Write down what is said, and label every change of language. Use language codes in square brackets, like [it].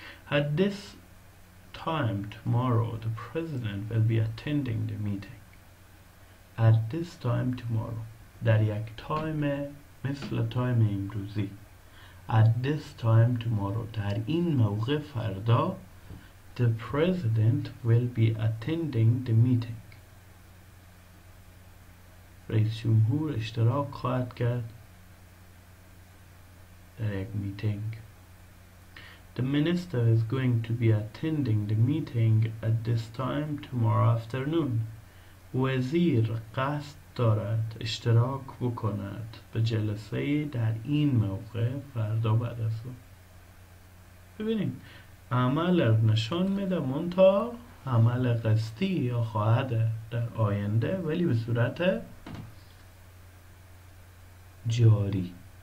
[en] At this time tomorrow the president will be attending the meeting at this time tomorrow [fa] در یک تایم مثل تایم امروزی [en] at this time tomorrow [fa] در این موقع فردا [en] the president will be attending the meeting [fa] رئیس جمهور اشتراک خواهد کرد در یک میتینگ. [en] The minister is going to be attending the meeting at this time tomorrow afternoon. [fa] وزیر قصد دارد اشتراک بکند به جلسه در این موقع فردا بعد از ظهر. ببینیم عمل نشان میده منتها عمل قصدی یا خواهد در آینده ولی به صورت جاری.